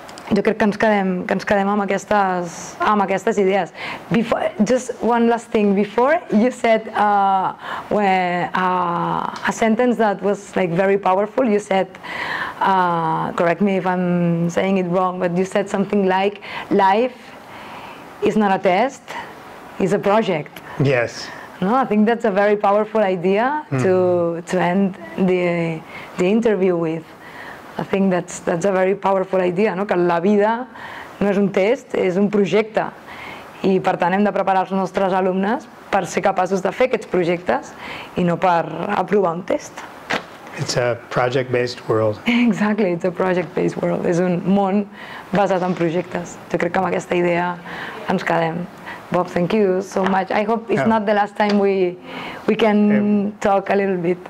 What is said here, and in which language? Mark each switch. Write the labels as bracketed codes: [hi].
[ca] Jo crec que ens quedem amb aquestes idees. [en] Before, just one last thing. Before you said a sentence that was like very powerful. You said, correct me if I'm saying it wrong, but you said something like, life is not a test, it's a project. Yes. No, I think that's a very powerful idea to end the interview with. I think that's a very powerful idea, no? [ca] Que la vida no és un test, és un projecte. I per tant hem de preparar els nostres alumnes per ser capaços de fer aquests projectes i no per aprovar un test. [en] It's a project-based world. Exactly, it's a project-based world. [ca] És un món basat en projectes. Jo crec que amb aquesta idea ens quedem. [en] Bob, thank you so much. I hope it's not the last time we can talk a little bit.